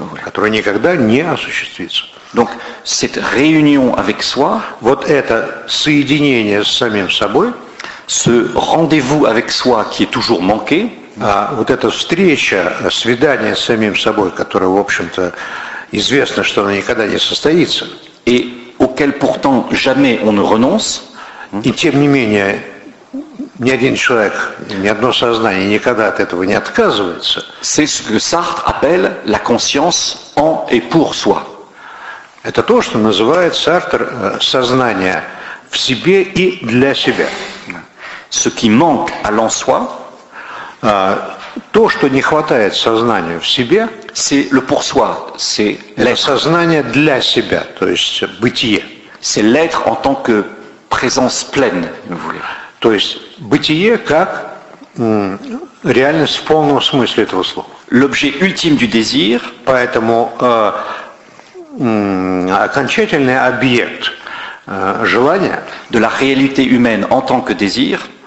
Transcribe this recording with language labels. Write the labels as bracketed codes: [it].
[ru] Которая никогда не осуществится. [fr] Donc, cette réunion avec soi, [ru] вот это соединение с самим собой, [fr] ce rendez-vous avec soi qui est toujours manqué, [ru] Вот эта встреча, свидание с самим собой, которое, в общем-то, известно, что оно никогда не состоится, [fr] et auquel pourtant jamais on ne renonce, [ru] и тем не менее, ни один человек, ни одно сознание никогда от этого не отказывается. [fr] C'est ce que Sartre appelle la conscience en et pour soi. [ru] Это то, что называет Сартр сознание в себе и для себя. [fr] Ce qui manque à l'en-soi, [ru] то, что не хватает сознанию в себе, [fr] c'est le pour soi, c'est l'être. [ru] Это сознание для себя, то есть бытие. [fr] C'est l'être en tant que présence pleine, vous voulez. [ru] То есть бытие как реальность в полном смысле этого слова. [fr] L'objet ultime du désir. [ru] Поэтому окончательный объект желания. [fr] De la réalité humaine en tant que désir.